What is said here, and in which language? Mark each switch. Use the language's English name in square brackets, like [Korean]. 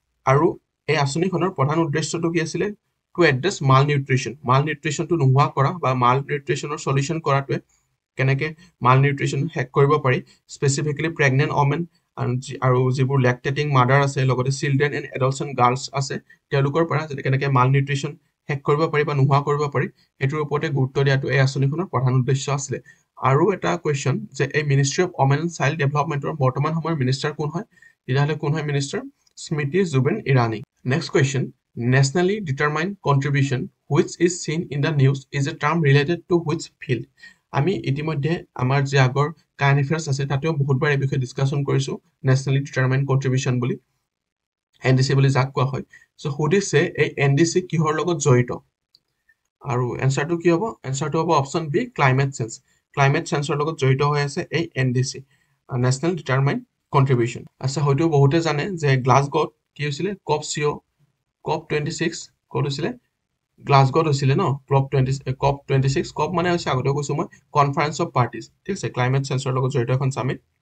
[Assamese] আৰু এই আঁচনিখনৰ প্ৰধান উদ্দেশ্যটো কি আছিলে? [English] to address malnutrition, [Assamese] মাল নিউট্ৰিশ্যনটো নোহোৱা কৰা বা মাল নিউট্ৰিশ্যনৰ চলিউশ্যন কৰাটোৱে, কেনেকৈ মাল নিউট্ৰিশ্যন হেক কৰিব পাৰি, [English] specifically pregnant women [Assamese] আৰু যিবোৰ লেক্টেটিং মাডাৰ আছে, লগতে [English] children and adolescent girls [Assamese] আছে, তেওঁলোকৰ পৰা যদি কেনেকৈ মাল নিউট্ৰিশ্যন হেক কৰিব পাৰি বা নোহোৱা কৰিব পাৰি, সেইটোৰ ওপৰতে গুৰুত্ব দিয়াটো এই আঁচনিখনৰ প্ৰধান উদ্দেশ্য আছিলে। আৰু এটা কুৱেশ্যন যে এই ministry of women and child ডেভেলপমেণ্টৰ বৰ্তমান সময়ৰ মিনিষ্টাৰ কোন হয়? তেতিয়াহ'লে কোন হয় minister? Smriti Zubeen Irani. [English] Next question, Nationally determined contribution, which is seen in the news, is a term related to which field? [Assamese] আমি ইতিমধ্যে আমাৰ যে আগৰ কাৰেণ্ট এফেয়াৰ্ছ আছে তাতেও বহুত বাৰ এই বিষয়ে ডিছকাশ্যন কৰিছো নেশ্যনেলি ডিটাৰমাইণ্ড কণ্ট্ৰিবিউচন বুলি এন ডি চি বুলি যাক কোৱা হয় চ' সুধিছে এই এন ডি চি কিহৰ লগত জড়িত আৰু এনচাৰটো কি হ'ব এনচাৰটো হ'ব [English] option B climate change [Assamese] climate চেঞ্জৰ লগত জড়িত হৈ আছে এই N D C national ডিটাৰমাইণ্ড contribution আচ্ছা হয়তো বহুতে জানে যে গ্লাছগ'ত কি হৈছিলে কপ চি অ' কপ 26 ক'ত হৈছিলে গ্লাছগ'ত হৈছিলে ন কপ 26 কপ 26 কপ মানে হৈছে আগতে কৈছোঁ মই কনফাৰেন্স অফ পাৰ্টিজ ঠিক আছে ক্লাইমেট চেঞ্জৰ লগত জড়িত এখন চামিট